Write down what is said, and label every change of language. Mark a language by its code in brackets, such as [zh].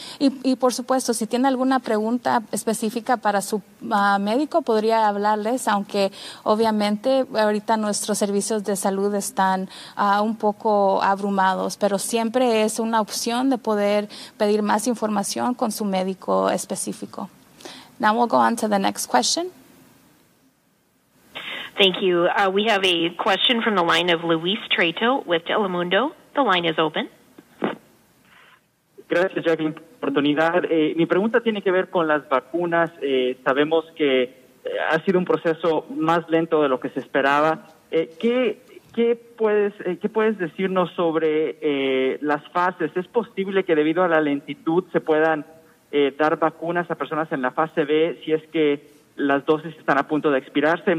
[es] Y por supuesto, si tiene alguna pregunta específica para su médico, podría hablarles, aunque obviamente ahorita nuestros servicios de salud están un poco abrumados, pero siempre es una opción de poder pedir más información con su médico específico. [en] Now we'll go on to the next question. Thank you. We have a question from the line of Luis Trejo with Telemundo. The line is open. [es] Gracias, Jacqueline, por la oportunidad. Mi pregunta tiene que ver con las vacunas. Sabemos que ha sido un proceso más lento de lo que se esperaba. ¿Qué puedes decirnos sobre las fases? ¿Es posible que debido a la lentitud se puedan dar vacunas a personas en la fase B si es que las dosis están a punto de expirarse?